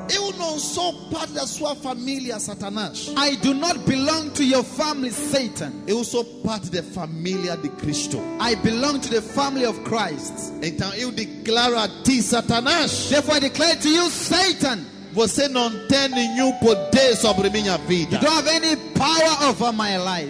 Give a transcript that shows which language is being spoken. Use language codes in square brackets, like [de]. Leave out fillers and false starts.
[pt] Eu não sou parte da sua família, Satanás. [en] I do not belong to your family, Satan. [pt] Eu sou parte da família de Cristo. [en] I belong to the family of Christ. [pt] Então eu declaro a ti, Satanás. [en] Therefore I declare to you, Satan. [pt] Você não tem nenhum poder sobre minha vida. [en] You don't have any power over my life.